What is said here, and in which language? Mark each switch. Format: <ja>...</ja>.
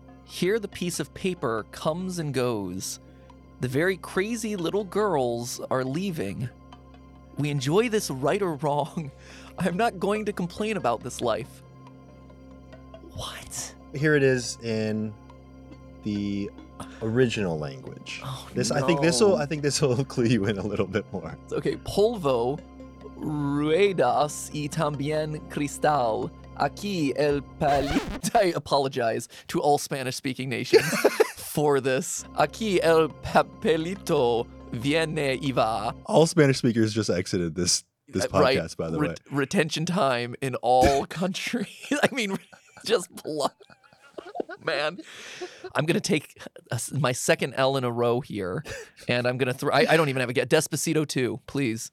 <en>Here the piece of paper comes and goes. The very crazy little girls are leaving. We enjoy this right or wrong. I'm not going to complain about this life. What? Here it is in the original language. Oh, this no. I think this will clue you in a little bit more.</en> <es>Okay, polvo, ruedas y también cristal. Aquí el palito.</es> <en>I apologize to all Spanish-speaking nations for this.</en> <es>Aquí el papelito viene y va.</es> <en>All Spanish speakers just exited this podcast, right, by the way. Retention time in all countries. I mean, just blood. Man, I'm going to take my second L in a row here, and I'm going to throw, I don't even have a guess. Despacito 2, please.</en>